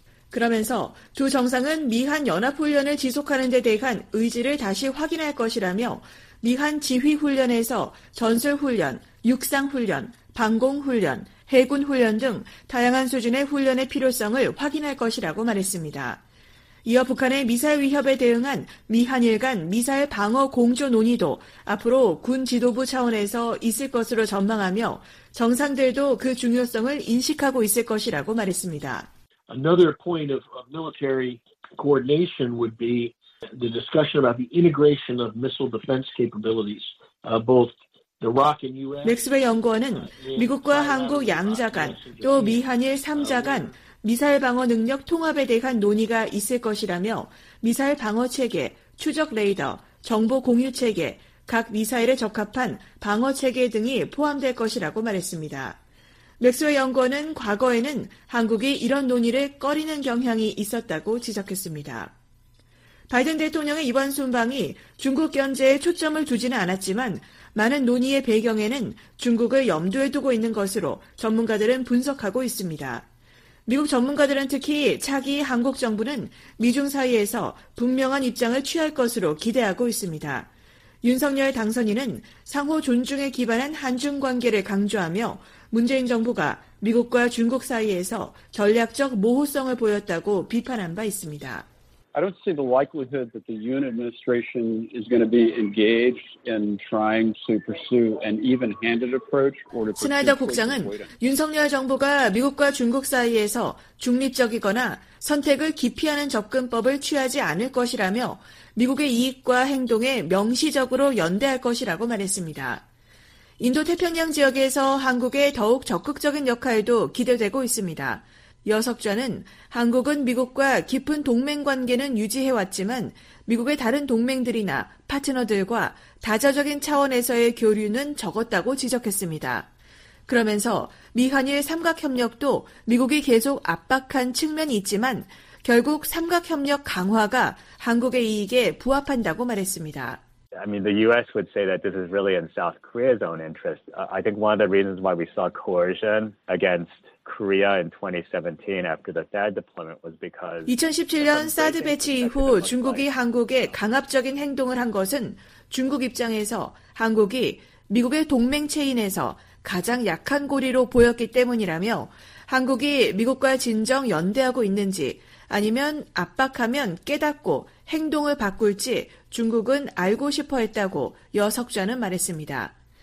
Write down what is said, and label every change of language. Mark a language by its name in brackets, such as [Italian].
[Korean] 그러면서 두 정상은 미한 연합훈련을 지속하는 데 대한 의지를 다시 확인할 것이라며 미한 지휘훈련에서 전술훈련, 육상훈련, 방공훈련, 해군훈련 등 다양한 수준의 훈련의 필요성을 확인할 것이라고 말했습니다. 이어 북한의 미사일 위협에 대응한 미한일 간 미사일 방어 공조 논의도 앞으로 군 지도부 차원에서 있을 것으로 전망하며 정상들도 그 중요성을 인식하고 있을 것이라고 말했습니다. [English] Another point of military coordination would be the discussion about the integration of missile defense capabilities, both the ROC and US. [Korean] 맥스웰 연구원은 미국과 한국 양자 간 또 미한일 3자 간 미사일 방어 능력 통합에 대한 논의가 있을 것이라며 미사일 방어 체계, 추적 레이더, 정보 공유 체계, 각 미사일에 적합한 방어 체계 등이 포함될 것이라고 말했습니다. 맥스웰 연구원은 과거에는 한국이 이런 논의를 꺼리는 경향이 있었다고 지적했습니다. 바이든 대통령의 이번 순방이 중국 견제에 초점을 두지는 않았지만 많은 논의의 배경에는 중국을 염두에 두고 있는 것으로 전문가들은 분석하고 있습니다. 미국 전문가들은 특히 차기 한국 정부는 미중 사이에서 분명한 입장을 취할 것으로 기대하고 있습니다. 윤석열 당선인은 상호 존중에 기반한 한중 관계를 강조하며 문재인 정부가 미국과 중국 사이에서 전략적 모호성을 보였다고 비판한 바 있습니다. [English] I don't see the likelihood that the Yoon administration is going to be engaged in trying to pursue an even-handed approach or to. [Korean] 스나이더 국장은 윤석열 정부가 미국과 중국 사이에서 중립적이거나 선택을 기피하는 접근법을 취하지 않을 것이라며 미국의 이익과 행동에 명시적으로 연대할 것이라고 말했습니다. 인도태평양 지역에서 한국의 더욱 적극적인 역할도 기대되고 있습니다. 여석좌는 한국은 미국과 깊은 동맹관계는 유지해왔지만 미국의 다른 동맹들이나 파트너들과 다자적인 차원에서의 교류는 적었다고 지적했습니다. 그러면서 미한일 삼각협력도 미국이 계속 압박한 측면이 있지만 결국 삼각협력 강화가 한국의 이익에 부합한다고 말했습니다. [English] I mean, the U.S. would say that this is really in South Korea's own interest. I think one of the reasons why we saw coercion against Korea in 2017 after the THAAD deployment was because [Korean] 2017년 사드 배치 이후 중국이 한국에 강압적인 행동을 한 것은 중국 입장에서 한국이 미국의 동맹 체인에서 가장 약한 고리로 보였기 때문이라며 한국이 미국과 진정 연대하고 있는지 아니면 압박하면 깨닫고 행동을 바꿀지 중국은 알고 싶어 했다고 여석좌는 말했습니다.